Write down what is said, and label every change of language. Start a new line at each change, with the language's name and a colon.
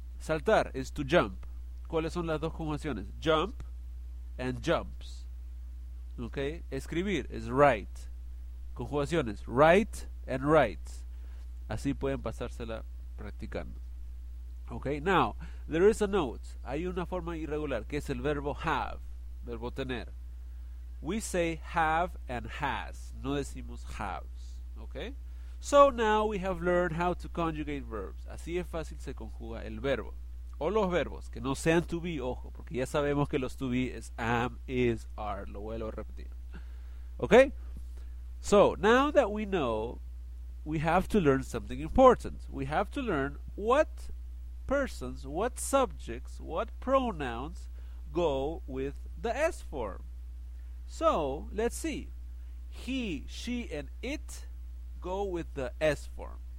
English: Saltar is to jump.
Spanish: ¿Cuáles son las dos conjugaciones?
English: Jump and jumps. Okay,
Spanish: escribir es
English: write. Conjugaciones, write and writes.
Spanish: Así pueden pasársela practicando.
English: Okay, now, there is a note.
Spanish: Hay una forma irregular que es el verbo have, verbo tener.
English: We say have and has,
Spanish: no decimos haves.
English: Okay, so now we have learned how to conjugate verbs.
Spanish: Así de fácil se conjuga el verbo. O los verbos, que no sean to be, ojo, porque ya sabemos que los to be es am, is, are. Lo vuelvo a repetir. Okay?
English: So, now that we know, we have to learn something important. We have to learn what persons, what subjects, what pronouns go with the S form. So, let's see. He, she, and it go with the S form.